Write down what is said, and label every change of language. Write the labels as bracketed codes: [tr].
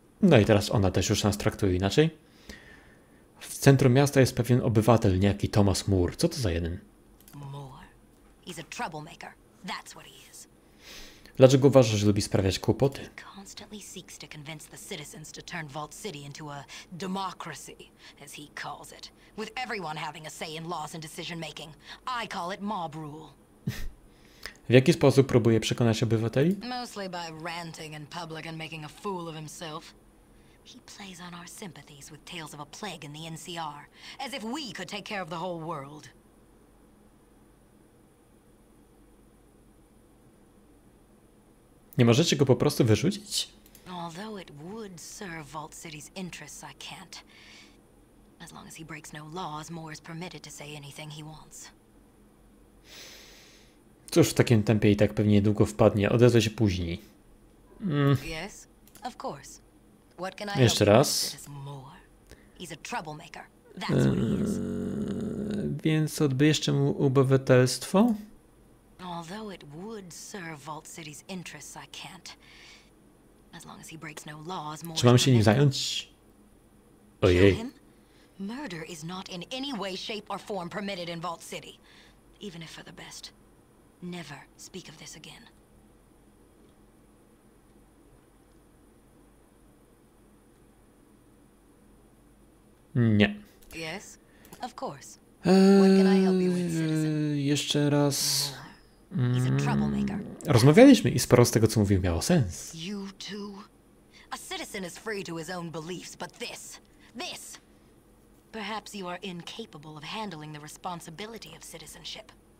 [pl] No i teraz ona też już nas traktuje inaczej. W centrum miasta jest pewien obywatel, niejaki Thomas Moore. Co to za jeden? [en] Moore. He's a troublemaker. That's what he is. [pl] Dlaczego uważasz, że lubi sprawiać kłopoty? [en] Constantly seeks to convince the citizens to turn Vault City into a democracy, as he calls it, with everyone having a say in laws and decision making. I call it mob rule. [pl] W jaki sposób próbuje przekonać obywateli? [en] Mostly by ranting in public and making a fool of himself. He plays on our sympathies with tales of a plague in the NCR, as if we could take care of the whole world. [pl] Nie możecie go po prostu wyrzucić? [en] Although it would serve Vault City's interests, I can't. As long as he breaks no laws, Moore is permitted to say anything he wants. [pl] Cóż, w takim tempie i tak pewnie niedługo wpadnie. Odezwę się później. [en] Yes, of course. What can I [pl] jeszcze raz. [en] He's a troublemaker. That's what he is. [pl] Więc odbierzcie mu obywatelstwo? [en] Although it would serve Vault City's interests, I can't. As long as he breaks no laws, [pl] czy mam się nim zająć? Ojej. [en] Murder is not in any way, shape or form permitted in Vault City. Even if for the best. Never speak of this again. [pl] Nie. [en] Yes, of course. What can I help you with, citizen? [pl] Jeszcze raz. [en] He's a troublemaker. [pl] Rozmawialiśmy i sporo z tego, co mówił, miało sens. [en] You too? A citizen is free to his own beliefs, but this, this. Perhaps you are incapable of handling the responsibility of citizenship.